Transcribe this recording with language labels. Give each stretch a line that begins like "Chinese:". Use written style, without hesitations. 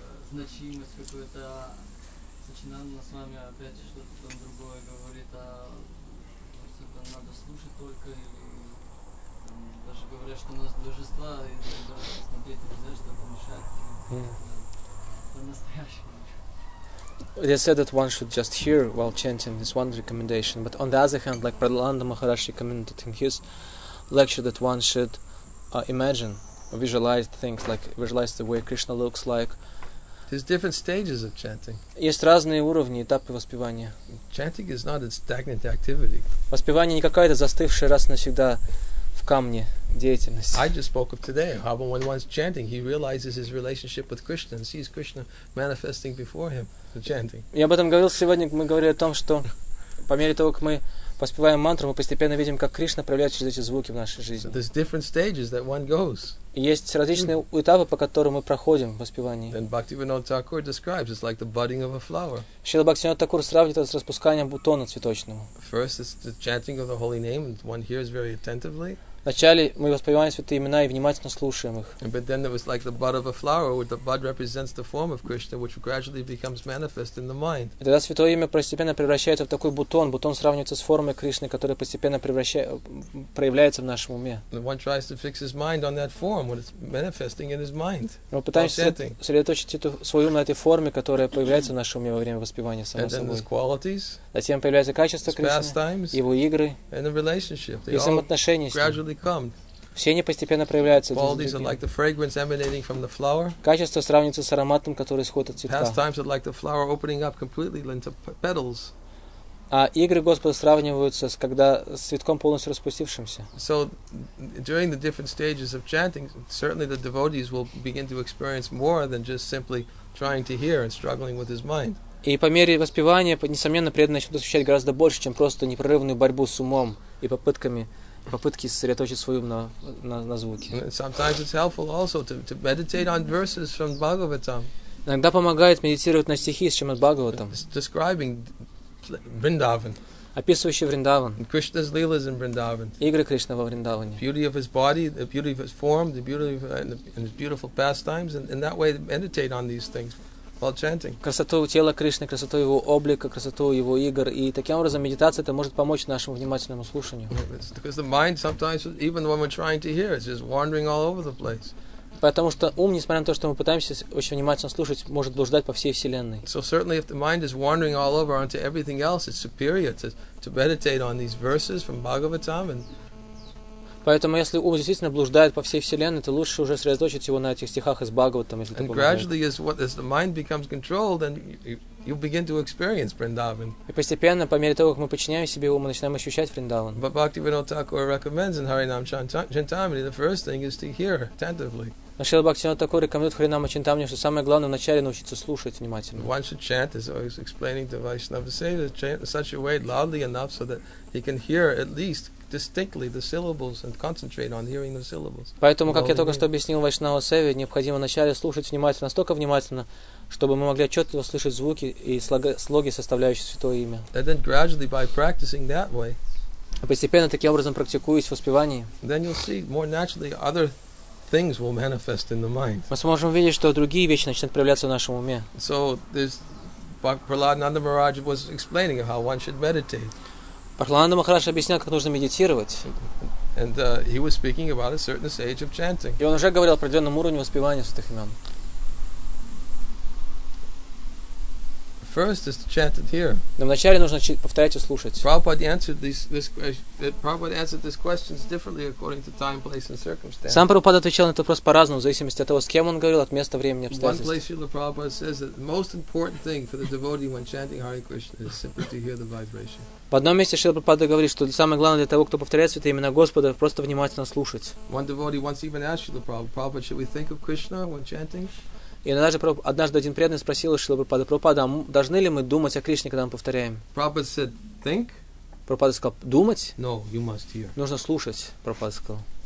Russian: Значимость какой-то сочинанна с вами, опять что-то там другое говорит, а что-то надо слушать только, или там, даже говорят, что у нас божества, и тогда смотреть нельзя, чтобы мешать. По-настоящему.
English: They said that one should just hear while chanting, this one recommendation. But on the other hand, like Pralanda Maharaj recommended in his lecture, that one should imagine, visualize things, like visualize the way Krishna looks like. There's different stages of chanting.
Russian: Есть разные уровни, этапы воспевания.
English: Chanting is not a stagnant activity.
Russian: Воспевание не какая-то застывшая раз навсегда в камне деятельность.
English: I just spoke of today. How when one's chanting, he realizes his relationship with Krishna and sees Krishna manifesting before him.
Russian: Я об этом говорил сегодня, мы говорили о том, что по мере того, как мы поспеваем мантру, мы постепенно видим, как Кришна проявляет через эти звуки в нашей жизни.
English: So there's different stages that one goes.
Russian: Есть различные этапы, по которым мы проходим в воспевании.
English: And Bhaktivinoda Thakur describes, it's like the budding of a flower.
Russian: Шрила Бхактивинода Такур сравнивает это с распусканием бутона цветочного.
English: First is the chanting of the holy name, and one hears very attentively.
Russian: Вначале мы воспеваем святые имена и внимательно слушаем их.
English: But then there was like the bud of a flower, where the bud represents the form of Krishna, which gradually becomes manifest in the mind.
Russian: И тогда святое имя постепенно превращается в такой бутон. Бутон сравнивается с формой Кришны, которая постепенно проявляется в нашем уме.
English: And one tries to fix his mind on that form, when it's manifesting in his mind.
Russian: Мы пытаемся сосредоточить свой ум на этой форме, которая появляется в нашем уме во время воспевания, само собой.
English: And then his qualities.
Russian: Затем появляются качества Кришны, его игры,
English: and the relationship.
Russian: И взаимоотношения с ним. Все они постепенно проявляются.
English: Qualities are like the fragrance emanating from the flower.
Russian: Качество сравнится с ароматом, который исходит от цветка.
English: Pastimes are like the flower opening up completely into petals.
Russian: А игры Господа сравниваются с когда с цветком полностью распустившимся.
English: So during the different stages of chanting, certainly the devotees will begin to experience more than just simply trying to hear and struggling with his mind.
Russian: И по мере воспевания, несомненно, преданные начнут ощущать гораздо больше, чем просто непрерывную борьбу с умом и попытки сосредоточить свой ум на звуки.
English: Sometimes it's helpful also to meditate on verses from Bhagavatam.
Russian: Иногда помогает медитировать на стихи из Шримад Бхагаватам.
English: Describing Vrindavan.
Russian: Описывающий Вриндаван.
English: Krishna's leelas in Vrindavan.
Russian: Игры Кришны во Вриндаване.
English: Beauty of his body, the beauty of his form, the beauty of and his beautiful pastimes, and in that way meditate on these things. While chanting.
Russian: Красоту тела Кришны, красоту его облика, красоту его игр, и таким образом медитация это может помочь нашему внимательному слушанию.
English: Because the mind sometimes, even when we're trying to hear, it's just wandering all over the place.
Russian: Потому что ум, несмотря на то, что мы пытаемся очень внимательно слушать, может блуждать по всей вселенной.
English: So certainly, if the mind is wandering all over onto everything else, it's superior to meditate on these verses from Bhagavatam and.
Russian: Поэтому, если ум действительно блуждает по всей вселенной, то лучше уже сосредоточить его на этих стихах из Бхагаватам, если
English: and gradually, as the mind becomes controlled, then you begin to experience Vrindavan.
Russian: И постепенно, по мере того, как мы подчиняем себе ум, мы начинаем ощущать Вриндаван.
English: But Bhaktivinoda Thakur recommends in Harinam Chintamani, the first thing is to hear attentively.
Russian: Но Шрила Бхактивинода Такур рекомендует Харинам Чинтамани, что самое главное вначале научиться слушать внимательно.
English: One should chant, as I was explaining to Vaishnava, say to chant in such a way loudly enough so that he can hear at least distinctly the syllables and concentrate on hearing the syllables.
Russian: Поэтому, как я только что объяснил Вайшнава Севе, необходимо вначале слушать внимательно, настолько внимательно, чтобы мы могли отчетливо слышать звуки и слоги, составляющие святое имя.
English: And then gradually by practicing that way.
Russian: А постепенно таким образом практикуясь в воспевании.
English: Then you'll see more naturally other things will manifest in the mind.
Russian: Мы сможем видеть, что другие вещи начнут проявляться в нашем уме.
English: So this Prahlada Nanda Maharaj was explaining how one should meditate.
Russian: Прахлананда Махарадж объяснял, как нужно медитировать.
English: And he was speaking about a certain stage of chanting.
Russian: И он уже говорил о определенном уровне воспевания святых имен.
English: В first is to chant it here.
Russian: Но вначале нужно повторять и слушать.
English: Prabhupada answered these questions differently according to time, place, and circumstance.
Russian: Сам Прабхупада отвечал на этот вопрос по-разному, в зависимости от того, с кем он говорил, от места, времени, обстоятельств.
English: One place Srila Prabhupada says that the most important thing for the devotee when chanting Hare Krishna is simply to hear the vibration.
Russian: В одном месте Шрила Прабхупада говорит, что самое главное для того, кто повторяет святое имя Господа, просто внимательно слушать.
English: One devotee once even asked Srila Prabhupada, should we think of Krishna when chanting?
Russian: И даже однажды один преданный спросил Шрила Прабхупада, Прабхупада, а должны ли мы думать о Кришне, когда мы повторяем?
English: Prabhupada said, think.
Russian: Прабхупада сказал, думать?
English: No, you must hear.
Russian: Нужно слушать, Прабхупада сказал.